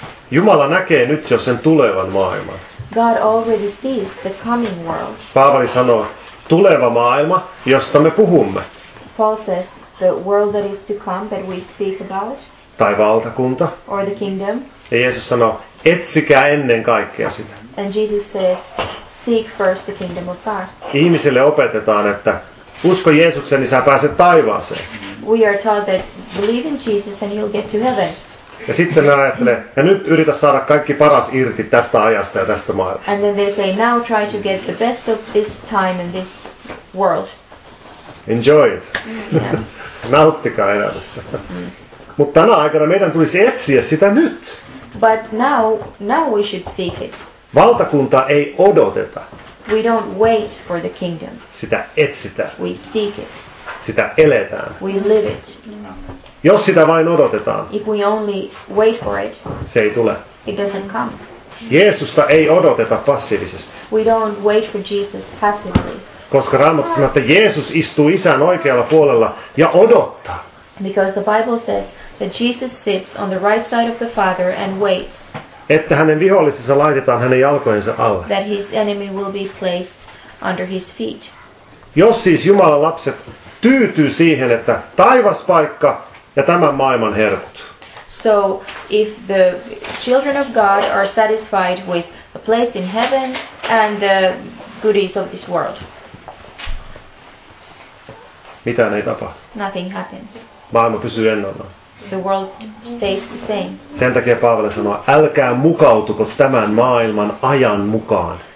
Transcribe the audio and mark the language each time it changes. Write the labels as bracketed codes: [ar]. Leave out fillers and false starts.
[fi] Jumala näkee nyt jo sen tulevan maailman. [en] God already sees the coming world. [fi] Paavali sanoo, tuleva maailma, josta me puhumme. [en] Paul says, the world that is to come that we speak about. [fi] Tai valtakunta. [en] Or the kingdom. [fi] Ja Jeesus sanoo, etsikää ennen kaikkea sitä. [en] And Jesus says, seek first the kingdom of God. [fi] Ihmisille opetetaan, että usko Jeesuksen, niin sä pääset taivaaseen. [en] We are taught that believe in Jesus and you'll get to heaven. [fi] Ja sitten ne ajattelee, ja nyt yritä saada kaikki paras irti tästä ajasta ja tästä maailmasta. [en] And then they say, now try to get the best of this time and this world. Enjoy it. Yeah. [fi] Nauttikaa elämästä. Mutta tänä aikana meidän tulisi etsiä sitä nyt. [en] But now we should seek it. [fi] Valtakunta ei odoteta. [en] We don't wait for the kingdom. [fi] Sitä etsitään. [en] We seek it. [fi] Sitä eletään. [en] We live it. [fi] Jos sitä vain odotetaan. [en] If we only wait for it. [fi] Se ei tule. [en] It doesn't come. [fi] Jeesusta ei odoteta passiivisesti. [en] We don't wait for Jesus passively. [fi] Koska Raamattu sanoo, että Jeesus istuu isän oikealla puolella ja odottaa. [en] Because the Bible says that Jesus sits on the right side of the Father and waits. [fi] Että hänen vihollisensa laitetaan hänen jalkojensa alle. [en] That his enemy will be placed under his feet. [fi] Jos siis Jumalan lapset tyytyy siihen, että taivas paikka ja tämän maailman herkut. [en] So if the children of God are satisfied with a place in heaven and the goodies of this world. [fi] Mitään ei tapahdu. [en] Nothing happens. [fi] Maailma pysyy ennallaan. [en] The world stays the same. [fi] Sen takia Paavali sanoo, älkää mukautuko tämän maailman ajan mukaan.